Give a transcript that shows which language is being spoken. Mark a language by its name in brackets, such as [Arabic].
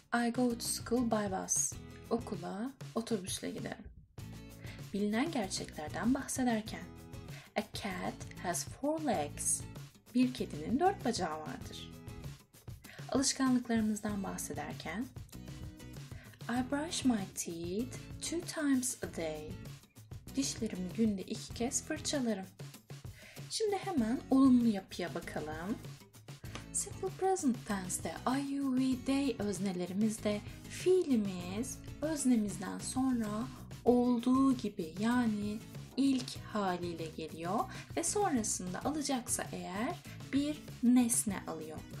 [English] I go to school by bus. [Turkish] Okula otobüsle giderim. Bilinen gerçeklerden bahsederken. [English] A cat has four legs. [Turkish] Bir kedinin dört bacağı vardır. Alışkanlıklarımızdan bahsederken. [English] I brush my teeth two times a day. [Turkish] Dişlerimi günde iki kez fırçalarım. Şimdi hemen olumlu yapıya bakalım. Simple present tense'de I, you, we, they öznelerimizde fiilimiz öznemizden sonra olduğu gibi yani ilk haliyle geliyor ve sonrasında alacaksa eğer bir nesne alıyor.